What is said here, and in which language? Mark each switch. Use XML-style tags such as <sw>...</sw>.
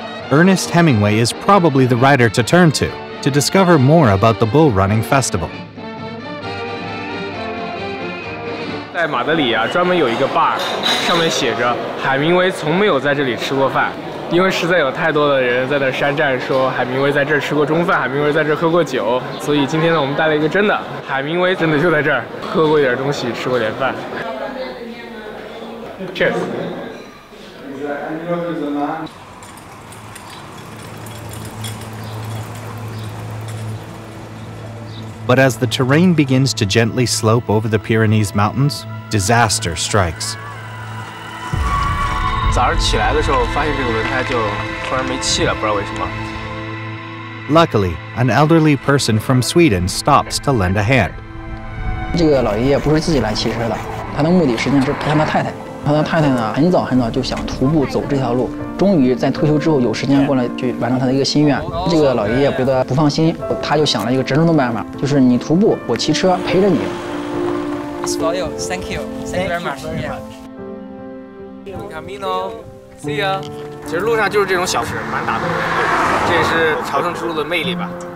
<en>Ernest Hemingway is probably the writer to turn to,to discover more about the Bull Running Festival.</en> <zh>在马德里啊，专门有一个 bar， 上面写着海明威从没有在这里吃过饭，因为实在有太多的人在那山寨说海明威在这儿吃过中饭，海明威在这儿喝过酒，所以今天呢，我们带了一个真的，海明威真的就在这儿喝过一点东西，吃过点饭。</zh> <en>Cheers。 But as the terrain begins to gently slope over the Pyrenees Mountains, disaster strikes.</en> <zh>早上起来的时候，发现这个轮胎就突然没气了，不知道为什么。</zh> <en>Luckily, an elderly person from Sweden stops to lend a hand.</en> <zh>这个老爷爷不是自己来骑车的，他的目的实际上是陪他的太太。他的太太呢，很早很早就想徒步走这条路，终于在退休之后有时间过来去完成他的一个心愿。这个老爷爷觉得不放心，他就想了一个折中的办法，就是你徒步，我骑车陪着你。</zh> <en>It's for you. Thank you. Thank you very much. camino. See ya.</en> <zh>其实路上就是这种小事蛮打动人，这也是朝圣之路的魅力吧。</zh>